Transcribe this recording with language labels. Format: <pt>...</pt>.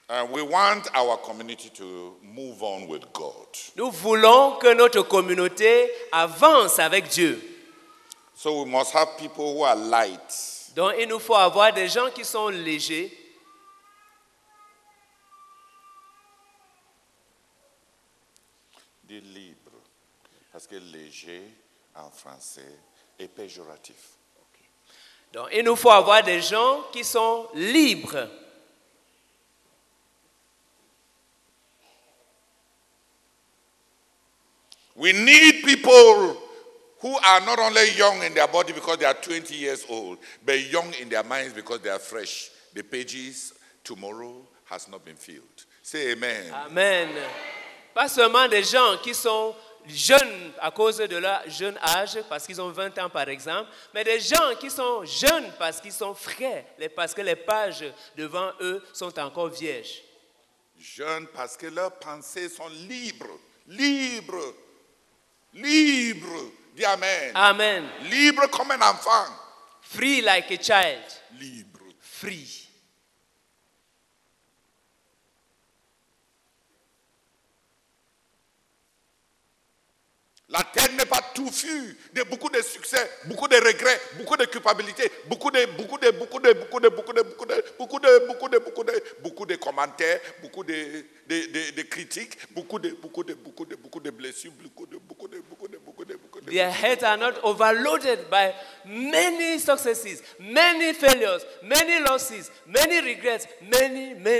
<en>We want our community to move on with God.</en> <fr>Nous voulons que notre communauté avance avec Dieu.</fr> <en>So we must have people who are light.</en> <fr>Donc il nous faut avoir des gens qui sont légers. Des libres. Parce que léger en français est péjoratif. Okay. Donc, il nous faut avoir des gens qui sont libres.</fr> <en>We need people who are not only young in their body because they are 20 years old, but young in their minds because they are fresh. The pages tomorrow has not been filled. Say amen. Amen.</en> <fr>Pas seulement des gens qui sont jeunes à cause de leur jeune âge, parce qu'ils ont 20 ans par exemple, mais des gens qui sont jeunes parce qu'ils sont frais, parce que les pages devant eux sont encore vierges. Jeunes parce que leurs pensées sont libres. Libres. Libre, dis amen. Amen. Libre comme un enfant.</fr> <en>Free like a child.</en> <fr>Libre.</fr> <en>Free.</en> <fr>La terre n'est pas touffue de beaucoup de succès, beaucoup de regrets, beaucoup de culpabilité, beaucoup de commentaires, beaucoup de critiques, beaucoup de blessures, beaucoup de.</fr> <en>Their heads are not overloaded by many successes, many failures, many losses, many regrets, many.</en>